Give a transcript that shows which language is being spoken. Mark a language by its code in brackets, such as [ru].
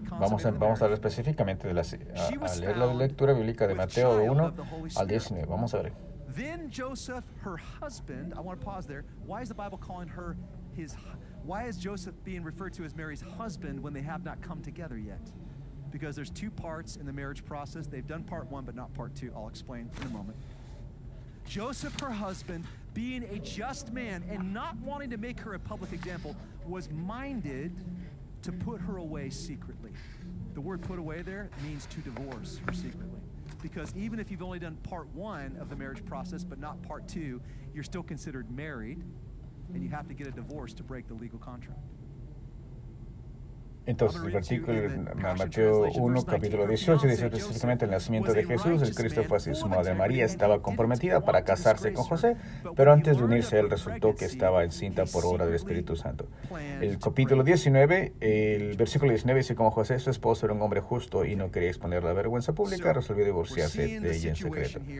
[es] Vamos a hablar específicamente a leer la lectura bíblica de Mateo 1:19. Vamos a ver. [en] Then Joseph her husband, I want to pause there. Why is the Bible calling her his Why is Joseph being referred to as Mary's husband when they have not come together yet? Because there's two parts in the marriage process. They've done part one, but not part two. I'll explain in a moment. Joseph, her husband, being a just man and not wanting to make her a public example, was minded to put her away secretly. The word put away there means to divorce her secretly. Because even if you've only done part one of the marriage process, but not part two, you're still considered married. And you have to get a divorce to break the legal contract. [es] Entonces, el artículo de Mateo 1, capítulo 18, dice específicamente el nacimiento de Jesús. El Cristo fue así. Su madre María estaba comprometida para casarse con José, pero antes de unirse, él resultó que estaba encinta por obra del Espíritu Santo. El capítulo 19, el versículo 19, dice como José, su esposo era un hombre justo y no quería exponer la vergüenza pública, resolvió divorciarse de ella en secreto.